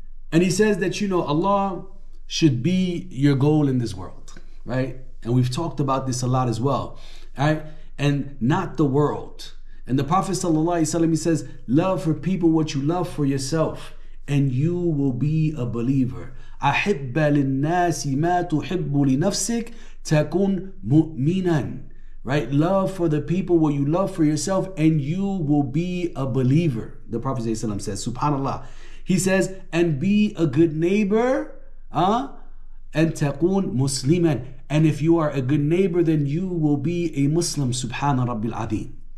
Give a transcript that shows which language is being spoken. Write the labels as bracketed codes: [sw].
[en] And he says that, you know, Allah should be your goal in this world, right? And we've talked about this a lot as well, right? And not the world. And the Prophet ﷺ, he says, love for people what you love for yourself, and you will be a believer. [ar] أحب للناس ما تحب لنفسك تكون مؤمنا. [en] Right? Love for the people what you love for yourself and you will be a believer. The Prophet ﷺ says, Subhanallah. He says, and be a good neighbor, and [ar] تكون مسلما. [en] And if you are a good neighbor, then you will be a Muslim, Subhana Rabbil Adeem.